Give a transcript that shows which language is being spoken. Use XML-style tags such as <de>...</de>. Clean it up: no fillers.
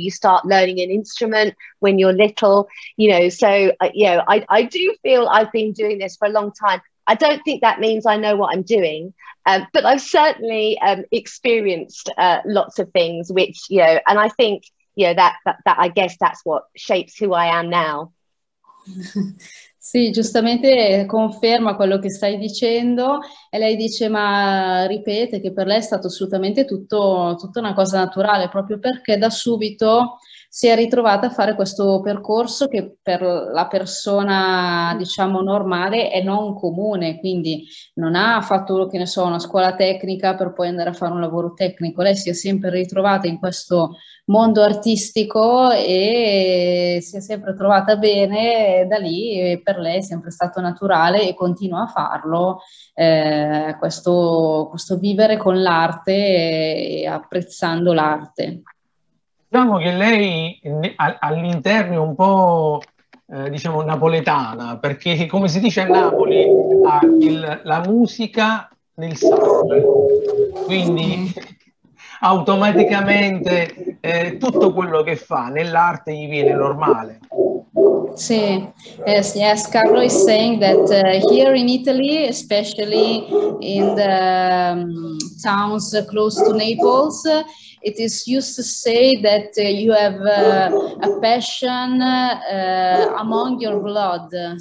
<en>You start learning an instrument when you're little, I do feel I've been doing this for a long time. I don't think that means I know what I'm doing, but I've certainly experienced lots of things, which and I think that I guess that's what shapes who I am now.</en> <it>Sì, giustamente conferma quello che stai dicendo e lei dice, ma ripete che per lei è stato assolutamente tutta una cosa naturale, proprio perché da subito si è ritrovata a fare questo percorso che per la persona, diciamo, normale è non comune, quindi non ha fatto, che ne so, una scuola tecnica per poi andare a fare un lavoro tecnico. Lei si è sempre ritrovata in questo mondo artistico e si è sempre trovata bene da lì, e per lei è sempre stato naturale e continua a farlo, questo vivere con l'arte e apprezzando l'arte. Diciamo che lei all'interno è un po' diciamo napoletana, perché come si dice a Napoli ha la musica nel sangue, quindi automaticamente tutto quello che fa nell'arte gli viene normale.</it> <en>Yes, Carlo is saying that here in Italy, especially in the towns close to Naples, it is used to say that you have a passion among your blood.</en>